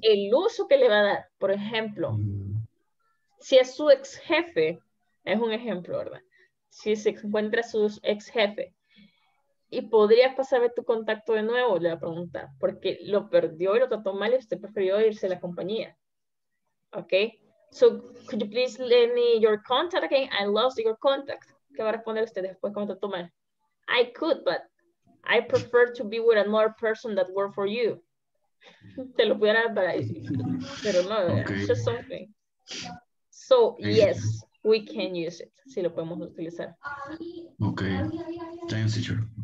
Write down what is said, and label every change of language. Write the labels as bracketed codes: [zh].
[es] El uso que le va a dar, por ejemplo, si es su ex jefe, es un ejemplo, ¿verdad? Si se encuentra su ex jefe y podría pasarme tu contacto de nuevo, le va a preguntar, porque lo perdió y lo trató mal y usted prefirió irse a la compañía. ¿Ok? [en] So, could you please lend me your contact again? I lost your contact. [es] ¿Qué va a responder usted después cuando trató mal? [en] I could, but I prefer to be with another person that worked for you. [es] Te lo pudiera dar para decir. Pero no, okay. [en] It's just something. So, yes, we can use it. [es] Sí, lo podemos utilizar. [en] Ok. Thanks, teacher.